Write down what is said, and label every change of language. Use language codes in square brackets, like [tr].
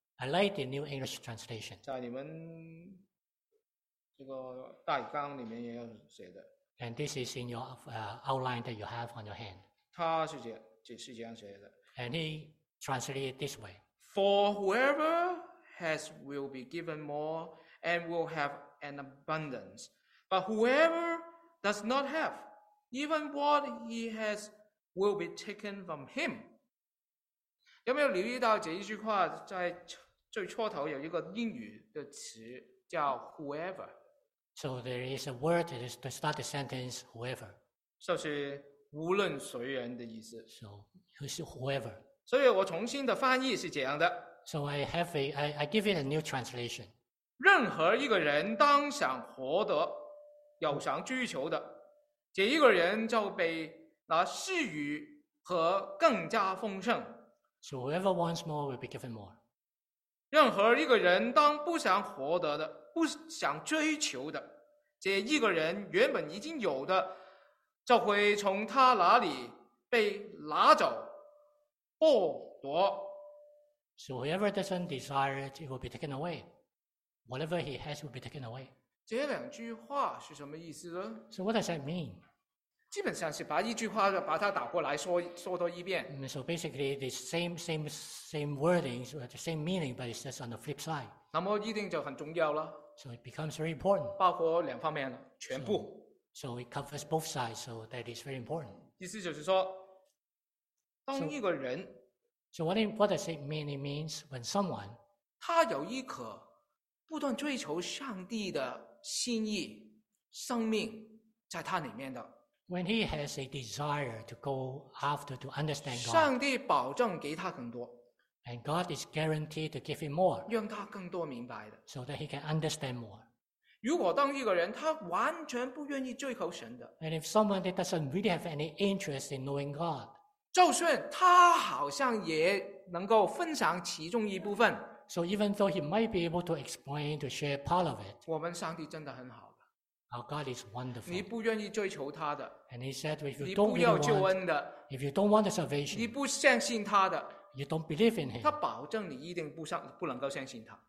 [en] I like the New English Translation. [zh] 在你们这个大纲里面也有写的。 [en] And this is in your outline that you have on your hand. [zh] 他是这样写的。 [en] And he translated this way. For whoever has will be given more and will have an abundance. But whoever does not have, even what he has will be taken from him. [zh] 有没有留意到这一句话在最初头有一个英语的词叫 whoever? [en] So there is a word that is to start the sentence whoever. [zh] 就是无论谁人的意思。 [en] So who is whoever? [zh] 所以我重新的翻译是这样的。 [en] So I give it a new translation. [zh] 任何一个人当想获得、有想追求的，这一个人就被那施予和更加丰盛。 [en] So whoever wants more will be given more. [zh] 任何一个人当不想获得的、不想追求的，这一个人原本已经有的，就会从他那里被拿走。剥夺。 [en] So whoever doesn't desire it, it will be taken away. Whatever he has will be taken away. [zh] 这两句话是什么意思呢？ [en] So what does that mean? [zh] 基本上是把一句话把它打过来说多一遍。 [en] So basically, the same wordings, the same meaning, but it's just on the flip side. [zh] 那么一定就很重要了。 [en] So it becomes very important. [zh] 包括两方面了，全部。 [en] So it covers both sides, so that is very important. [zh] 意思就是说。当一个人 [en] what does it mean? It means when someone [zh] 他有一颗不断追求上帝的心意生命在他里面的 [en] when he has a desire to go after to understand God [zh] 上帝保证给他更多 [en] and God is guaranteed to give him more [zh] 让他更多明白的 [en] so that he can understand more [zh] 如果当一个人他完全不愿意追求神的 [en] and if someone that doesn't really have any interest in knowing God [zh] 就算他好像也能够分享其中一部分 [en] So even though he might be able to explain to share part of it [zh] 我们上帝真的很好的 [en] Our God is wonderful [zh] 你不愿意追求他的 [en] And he said if you don't really want [zh] 你不要救恩的 [en] If you don't want the salvation [zh] 你不相信他的 [en] You don't believe in him [zh] 他保证你一定不能够相信他